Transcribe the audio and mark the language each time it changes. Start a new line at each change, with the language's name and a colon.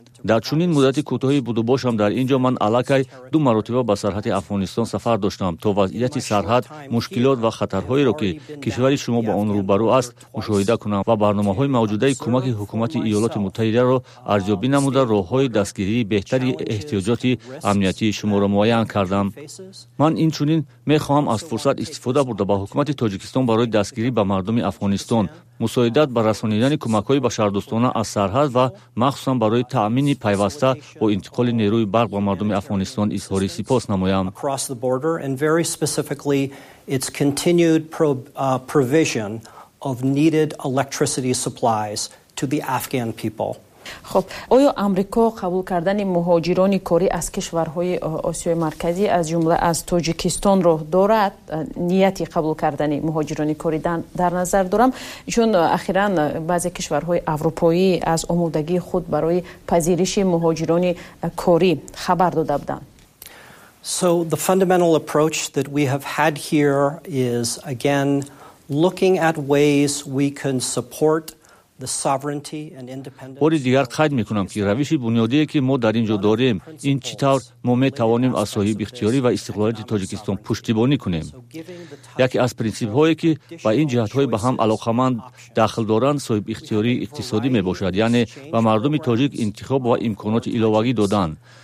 Tajik: дар чунин муддати кӯтоҳи буду бошам дар инҷо ман аллакай ду маротиба ба сарҳади Афғонистон сафар доштам то вазъияти сарҳад, мушкилот ва хатарҳоеро ки кишвари шумо ба он рӯбарӯ аст мушоҳида кунам ва барномаҳои мавҷудаи кӯмаки ҳукумати Иёлоти Муттаҳидаро арзёбӣ намуда роҳҳои дастгирии беҳтари эҳтиёҷоти амниятии шуморо муайян кардам. ман инчунин мехоҳам аз фурсат истифода бурда ба ҳукумати Тоҷикистон барои дастгирӣ ба мардуми Афғонистон мусоидат ба расонидани кӯмакҳои башардӯстона аз сарҳад ва махсусан барои таъмини пайваста бо интиқоли нерӯи барқ ба мардуми Афғонистон изҳори сипос намоям.
English: Across the border and very specifically its continued provision of needed electricity supplies to the Afghan people.
Persian: خب آیا امریکا قبول کردن مهاجران کاری از کشورهای آسیای مرکزی از جمله از تاجیکستان رو دارد؟ نیتی قبول کردن مهاجران کاری در نظر دارم چون اخیرا بعضی کشورهای اروپایی از آمادگی خود برای پذیرش مهاجران کاری خبر داده بودند.
English: So the fundamental approach that we have had here is again looking at ways we can support the sovereignty and independence.
Tajik: бори дигар қайд мекунам ки равиши бунёдие ки мо дар инҷо дорем ин чӣ тавр мо метавонем аз соҳиби ихтиёрӣ ва истиқлолияти Тоҷикистон пуштибонӣ кунем. яке аз принсипҳое ки ба ин ҷиҳатҳои ба ҳам алоқаманд дахл доранд соҳиби ихтиёрии иқтисодӣ мебошад, яъне ба мардуми тоҷик интихоб ва имконоти иловагӣ доданд.